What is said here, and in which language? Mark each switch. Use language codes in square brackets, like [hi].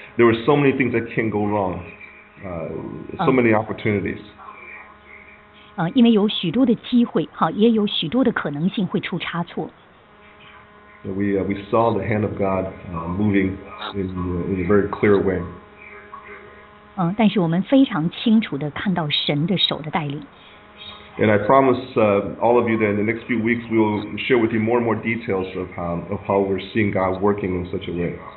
[en] there were so many things that can go wrong, so many opportunities. [zh] 因为有许多的机会，也有许多的可能性会出差错。 [en] We saw the hand of God moving in a very clear way. [zh] 但是我们非常清楚地看到神的手的带领。 [en] And I promise all of you that in the next few weeks we will share with you more and more details of how we're seeing God working in such a way.